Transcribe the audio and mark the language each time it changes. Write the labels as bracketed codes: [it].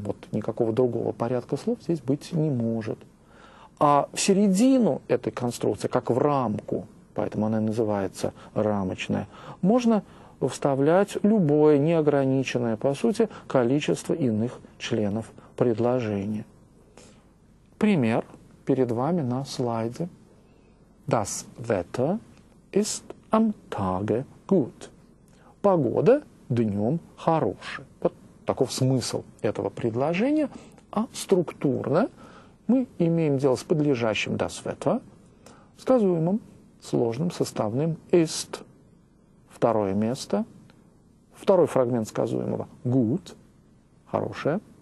[ru] Вот никакого другого порядка слов здесь быть не может. А в середину этой конструкции, как в рамку, поэтому она и называется рамочная, можно вставлять любое неограниченное, по сути, количество иных членов предложения. Пример перед вами на слайде. [de] Das Wetter ist am Tage gut. [ru] Погода днем хорошая. Вот таков смысл этого предложения. А структурно мы имеем дело с подлежащим [de] das Wetter, [ru] сказуемым сложным составным ist. Второе место. Второй фрагмент сказуемого gut. Хорошее.